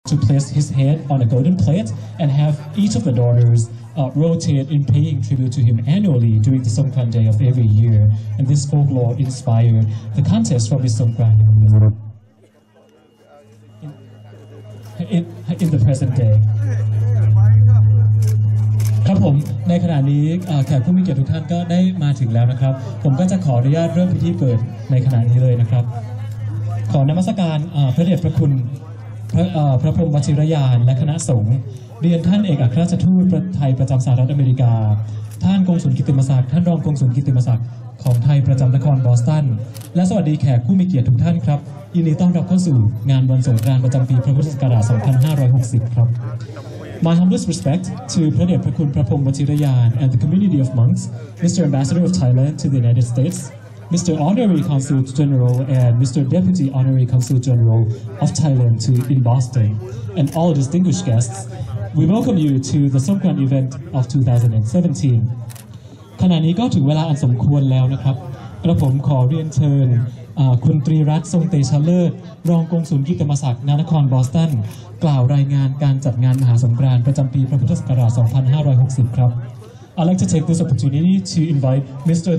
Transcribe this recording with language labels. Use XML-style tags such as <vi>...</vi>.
<en>to place his head on a golden plate and have each of the daughters rotate in paying tribute to him annually during the Songkran day of every year. And this folklore inspired the contest for Miss Songkran in the present day.</en> <th>ครับผมในขณะนี้แขกผู้มีเกียรติทุกท่านก็ได้มาถึงแล้วนะครับผมก็จะขออนุญาตเริ่มพิธีเปิดในขณะนี้เลยนะครับขอนมัสการพระเดชพระคุณ พระพรหมวชิรยานและคณะสงฆ์เรียนท่านเอกอัครราชทูตไทยประจำสหรัฐอเมริกาท่านกงสุลกิตติมศักดิ์ท่านรองกงสุลกิตติมศักดิ์ของไทยประจำนครบอสตันและสวัสดีแขกผู้มีเกียรติทุกท่านครับยินดีต้อนรับเข้าสู่งานวันสงกรานต์ประจำปีพระพุทธศักราช2560ครับ</th> <en>My humblest respect to Pradeep Prakun Prapong Vachirayan and the community of monks, Mr. Ambassador of Thailand to the United States, Mr. Honorary Consul General and Mr. Deputy Honorary Consul General of Thailand in Boston, and all distinguished guests, we welcome you to the Songkran event of 2017.</en> <th>ขณะนี้ก็ถึงเวลาอันสมควรแล้วนะครับกระผมขอเรียนเชิญคุณตรีรัตน์ทรงเตชะเลิศรองกงสุลกิตติมศักดิ์ณนครบอสตันกล่าวรายงานการจัดงานมหาสงกรานต์ประจำปีพระพุทธศักราช2560ครับ</th> <en>I'd like to take this opportunity to invite Mr.</en>